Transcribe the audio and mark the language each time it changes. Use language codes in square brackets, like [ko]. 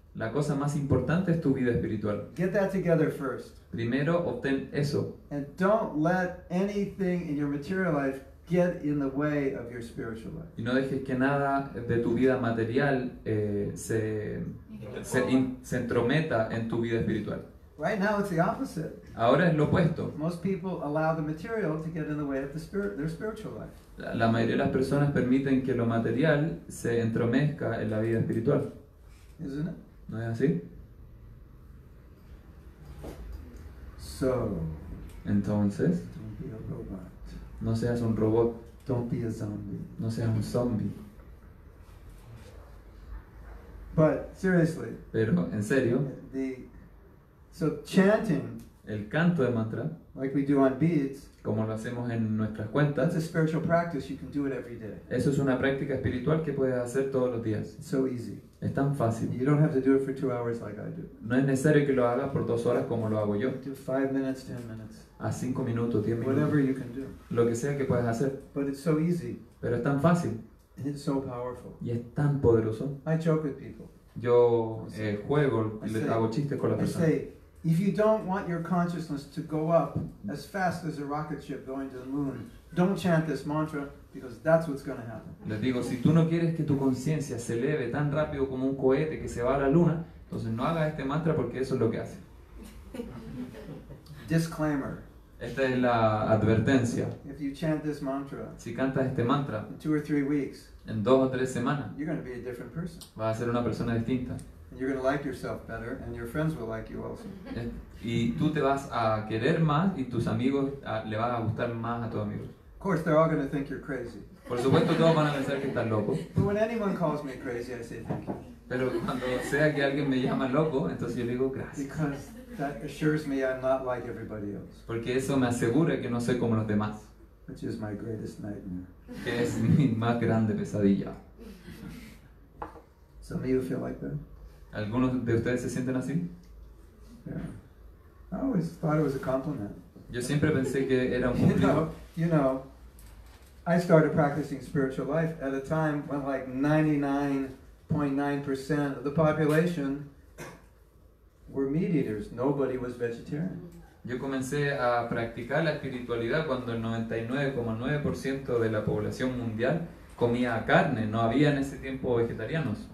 [es] La cosa más importante es tu vida espiritual. [en] Get that together first. [es] Primero obtén eso. [en] And don't let anything in your material life get in the way of your spiritual life. [es] Y no dejes que nada de tu vida material se entrometa en tu vida espiritual. [en] Right now it's the opposite. [es] Ahora es lo opuesto. [en] Most people allow the material to get in the way of their spiritual life. [es] La mayoría de las personas permiten que lo material se entromezca en la vida espiritual. [en] Isn't it? [es] ¿No es así? [en] So, [es] entonces, [en] don't be a robot. [es] No seas un robot. [en] Don't be a zombie. [es] No seas un zombie. [en] But seriously, [es] pero en serio, [en] so chanting, [es] el canto de mantra, [en] like we do on beads, [es] como lo hacemos en nuestras cuentas, [en] that's a spiritual practice, you can do it every day. [es] Eso es una práctica espiritual que puedes hacer todos los días. [en] It's so easy. [es] Es tan fácil. [en] You don't have to do it for 2 hours like I do. [es] No es necesario que lo hagas por 2 horas como lo hago yo. [en] Do 5 minutes, 10 minutes. [es] A 5 minutos, 10 minutos. [en] Whatever you can do. [es] Lo que sea que puedas hacer. [en] But it's so easy. [es] Pero es tan fácil. [en] And it's so powerful. [es] Y es tan poderoso. [en] I joke with people. [es] Yo juego y le hago chistes con las personas. [en] I say, if you don't want your consciousness to go up as fast as a rocket ship going to the moon, don't chant this mantra. Because that's what's going to happen. [es] Les digo, si tú no quieres que tu conciencia se eleve tan rápido como un cohete que se va a la luna, entonces no hagas este mantra porque eso es lo que hace. [en] Disclaimer. [es] Esta es la advertencia. [en] If you chant this mantra, [es] si cantas este mantra, [en] in 2 or 3 weeks, [es] en 2 o 3 semanas, [en] you're going to be a different person. [es] Vas a ser una persona distinta. [en] And you're going to like yourself better, and your friends will like you also. [es] Y tú te vas a querer más y tus amigos le van a gustar más a tus amigos. [en] Of course, they're all going to think you're crazy. [es] Por supuesto, todos van a pensar que estás loco. [en] But when anyone calls me crazy, I say thank you. [es] Pero cuando sea que alguien me llama loco, entonces yo digo gracias. [en] Because that assures me I'm not like everybody else. [es] Porque eso me asegura que no soy como los demás. [en] Which is my greatest nightmare. [es] Que es mi más grande pesadilla. [en] Some of you feel like that. [es] ¿Algunos de ustedes se sienten así? [en] Yeah. I always thought it was a compliment. [es] Yo siempre pensé que era un cumplido. [en] You know, I started practicing spiritual life at a time when like 99.9% of the population were meat eaters. Nobody was vegetarian. [es] Yo comencé a practicar la espiritualidad cuando el 99.9% de la población mundial comía carne. No había en ese tiempo vegetarianos.